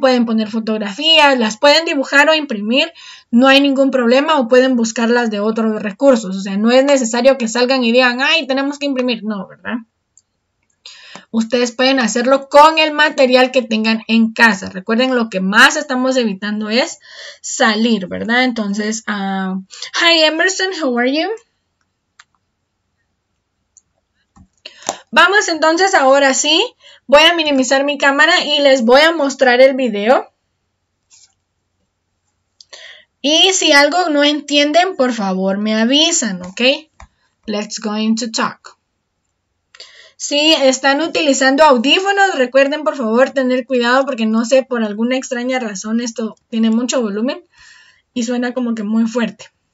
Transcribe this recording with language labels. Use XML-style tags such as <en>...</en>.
<es>Pueden poner fotografías. Las pueden dibujar o imprimir. No hay ningún problema. O pueden buscarlas de otros recursos. O sea, no es necesario que salgan y digan, ¡ay, tenemos que imprimir! No, ¿verdad? Ustedes pueden hacerlo con el material que tengan en casa. Recuerden, lo que más estamos evitando es salir, ¿verdad?</es> <en>Entonces, hi Emerson, how are you?</en> <es>Vamos entonces, ahora sí, voy a minimizar mi cámara y les voy a mostrar el video. Y si algo no entienden, por favor, me avisan, ¿ok?</es> <en>Let's go into talk.</en> <es>Si están utilizando audífonos, recuerden por favor tener cuidado porque no sé, por alguna extraña razón esto tiene mucho volumen y suena como que muy fuerte.</es>